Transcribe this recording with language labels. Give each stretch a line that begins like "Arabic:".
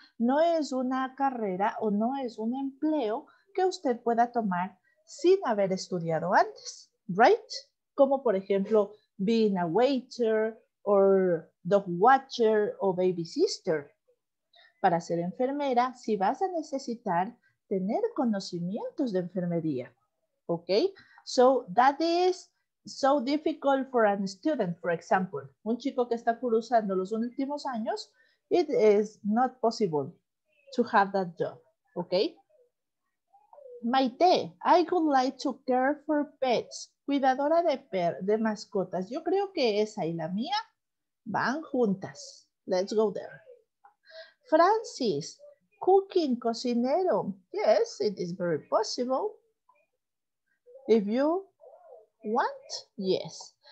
Spanish: No es una carrera o no es un empleo que usted pueda tomar sin haber estudiado antes,
English: right?
Spanish: Como por ejemplo,
English: being a waiter, or dog watcher o baby sister.
Spanish: Para ser enfermera, si vas a necesitar tener conocimientos de enfermería, ¿ok?
English: So that is so difficult for a student, for example.
Spanish: Un chico que está cursando los últimos años,
English: it is not possible to have that job, ¿ok? Maite, I would like to care for pets.
Spanish: Cuidadora de mascotas. Yo creo que esa y la mía van juntas.
English: Let's go there. Francis, cooking, cocinero. Yes, it is very possible. If you want, yes.